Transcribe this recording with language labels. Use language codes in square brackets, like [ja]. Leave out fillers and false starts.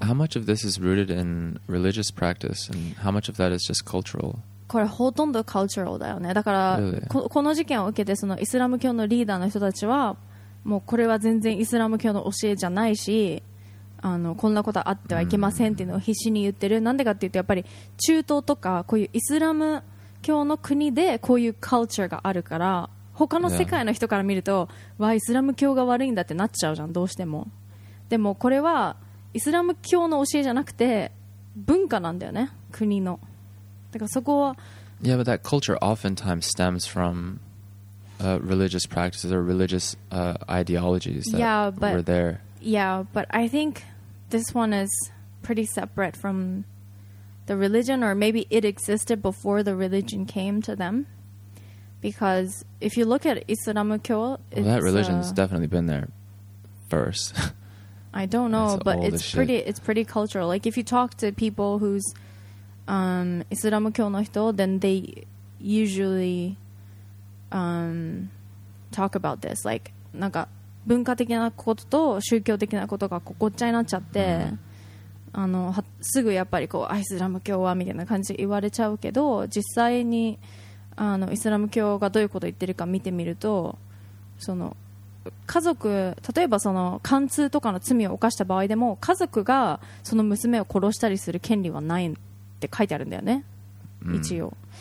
[en] How much of this is rooted in religious practice and how much of that is just cultural? [ja] これほとんど cultural だよね。だから、 [en] really? [ja] この事件を受けて、そのイスラム教のリーダーの人たちはもうこれは全然イスラム教の教えじゃないし、あのこんなことあってはいけませんっていうのを必死に言ってる。なんでかっていうと、やっぱり中東とかこういうイスラム今日の国でこういうカルチャーがあるから、他の世界の人から見ると、yeah. わイスラム教が悪いんだってなっちゃうじゃん、どうしても。でもこれはイスラム教の教えじゃなくて文化なんだよね、国の。だからそこは [en] Yeah, but that culture oftentimes stems from religious practices or religious ideologies that yeah, but, were there. Yeah, but I think this one is pretty separate fromthe religion, or maybe it existed before the religion came to them, because if you look at Islam, well, that religion's definitely been there first. I don't know, but it's pretty, shit. It's pretty cultural. Like if you talk to people who's Islam, then they usually talk about this. [ja] Like, なんか文化的なことと宗教的なことがごっちゃになっちゃって。 Mm-hmm. あのすぐやっぱりこうアイスラム教はみたいな感じで言われちゃうけど、実際にあのイスラム教がどういうことを言ってるか見てみると、その家族、例えばその姦通とかの罪を犯した場合でも家族がその娘を殺したりする権利はないって書いてあるんだよね、一応。